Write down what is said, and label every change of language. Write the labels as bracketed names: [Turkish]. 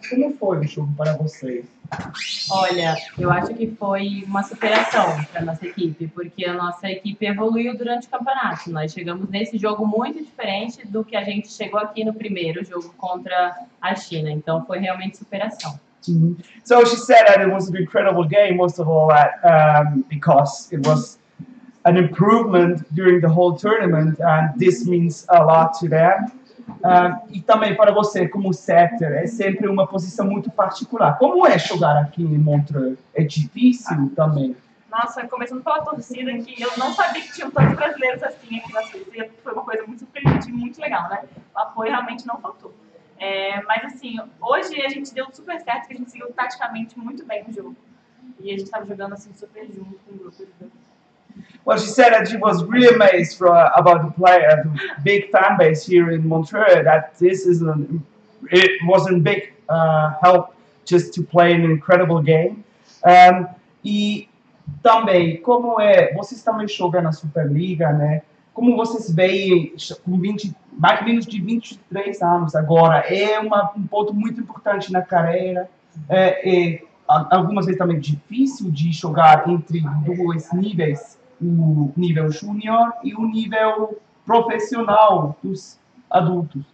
[Portuguese] Como foi o jogo para vocês? Olha, eu acho que foi uma superação para a nossa equipe, porque a nossa equipe evoluiu durante o campeonato. Nós chegamos nesse jogo muito diferente do que a gente chegou aqui no primeiro jogo contra a China. Então, foi realmente superação. Mm-hmm. [English] So she said that it was an incredible game, most of all that, because it was an improvement during the whole tournament, and this means a lot to them. [Portuguese] E também para você, como setter, é sempre uma posição muito particular. Como é jogar aqui em Montreux? É difícil também? Nossa, começando pela torcida, que eu não sabia que tinham tantos brasileiros assim aqui na torcida. Foi uma coisa muito surpreendente e muito legal, né? O apoio realmente não faltou. É, mas assim, hoje a gente deu super certo, que a gente seguiu taticamente muito bem o jogo. E a gente estava jogando assim super junto com o grupo. [English] Well, she said that she was really amazed about the player, the big fan base here in Montreux, that this is it wasn't big help just to play an incredible game. [Portuguese] E também, como é, vocês também jogam na Superliga, né? Como vocês veem, com 20, mais ou menos de 23 anos agora, é um ponto muito importante na carreira, e algumas vezes também difícil de jogar entre dois níveis, o nível júnior e o nível profissional dos adultos.